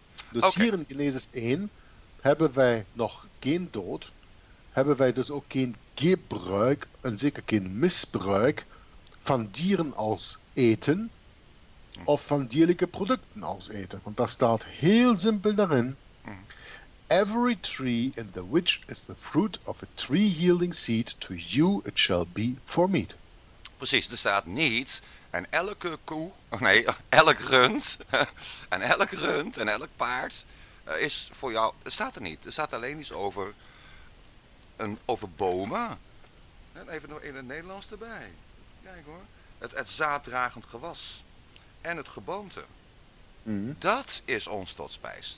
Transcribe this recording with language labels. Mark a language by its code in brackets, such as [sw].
[nl] Dus hier in Genesis 1 hebben wij nog geen dood. Hebben wij dus ook geen gebruik en zeker geen misbruik van dieren als eten of van dierlijke producten als eten. Want daar staat heel simpel daarin. [en] Every tree in the which is the fruit of a tree yielding seed, to you it shall be for meat. [nl] Precies, er staat niet, en elke koe, nee, elk rund, en elk rund en elk paard is voor jou, er staat er niet. Er staat alleen iets over bomen. En even nog in het Nederlands erbij. Kijk hoor, het zaaddragend gewas en het geboomte, dat is ons tot spijs.